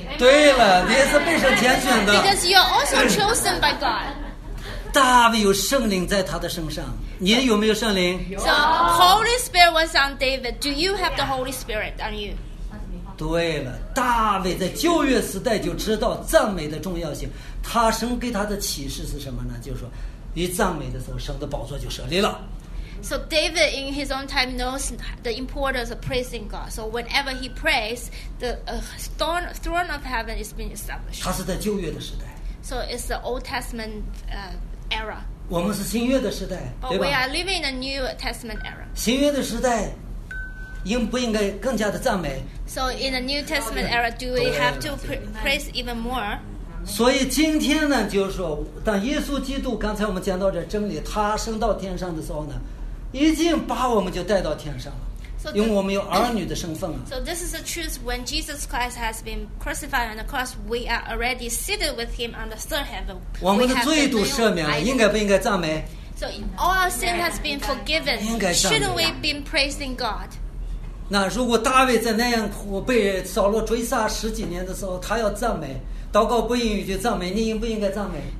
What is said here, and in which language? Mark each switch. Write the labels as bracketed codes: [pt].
[zh] 对了，你也是被神拣选的。 [en] Because you are also chosen by God. [zh] 大卫有圣灵在他的身上。你有没有圣灵？ [en] So Holy Spirit was on David. Do you have the Holy Spirit on you? [zh] 对了，大卫在旧约时代就知道赞美的重要性。他神给他的启示是什么呢？就是说，一赞美的时候，神的宝座就设立了。 [en] So David in his own time knows the importance of praising God. So whenever he prays, the throne of heaven is being established. [zh] 他是在旧约的时代。 [en] So it's the Old Testament era. [zh] 我们是新约的时代，对吧？ [en] But we are living in a New Testament era. [zh] 新约的时代，应不应该更加的赞美？ [en] So in the New Testament era, do we have to praise even more? [zh] 所以今天呢，就是说，当耶稣基督刚才我们讲到这真理，他升到天上的时候呢，已经把我们就带到天上了。因为我们有儿女的身份了。 [en] So this is the truth. When Jesus Christ has been crucified on the cross, we are already seated with him on the third heaven. [zh] 我们的罪都赦免了，应该不应该赞美？ [en] So all our sin has been forgiven. [zh] 应该赞美。 [en] Shouldn't we be praising God? [zh] 那如果大卫在那样苦被扫罗追杀十几年的时候，他要赞美，祷告不应允就赞美，你应不应该赞美？